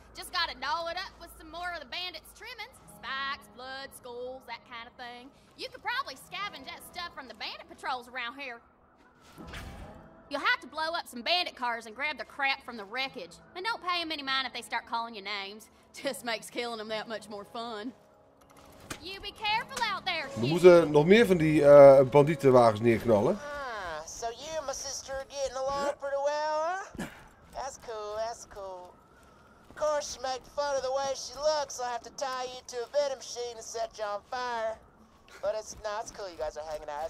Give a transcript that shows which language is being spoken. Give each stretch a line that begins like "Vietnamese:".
English: Just gotta doll it up with some more of the bandits' trimmings. Spikes, blood, skulls, that kind of thing. You could probably scavenge that stuff from the bandit patrols around here. You'll have to blow up some bandit cars and grab the crap from the wreckage. And don't pay them any mind if they start calling you names. Just makes killing them that much more fun. You be careful out there,
Dutch: kid. We moeten nog meer van die bandietenwagens neerknallen.
English: So you and my sister are getting along pretty well, huh? That's cool, that's cool. Of course, you make fun of the way she looks. I'll have to tie you to a vending machine and set you on fire. But it's not it's cool you guys are hanging out.